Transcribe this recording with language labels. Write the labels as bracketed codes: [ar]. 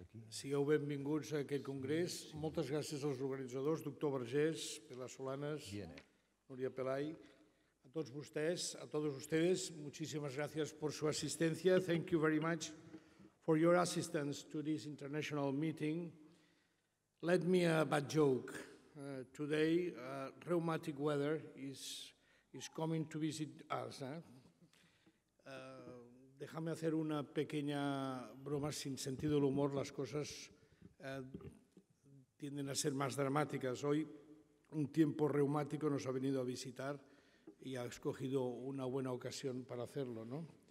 [ca] Sigueu benvinguts a aquest congrés. Moltes gràcies als organitzadors, doctor Vergés, Pilar Solanes, Núria Pelai. A tots vostès, a tots vostès, moltíssimes gràcies per su assistència. [en] Thank you very much for your assistance to this international meeting. Let me a bad joke. Today, rheumatic weather is coming to visit us. [es] Déjame hacer una pequeña broma sin sentido del humor, las cosas tienden a ser más dramáticas. Hoy un tiempo reumático nos ha venido a visitar y ha escogido una buena ocasión para hacerlo, ¿no?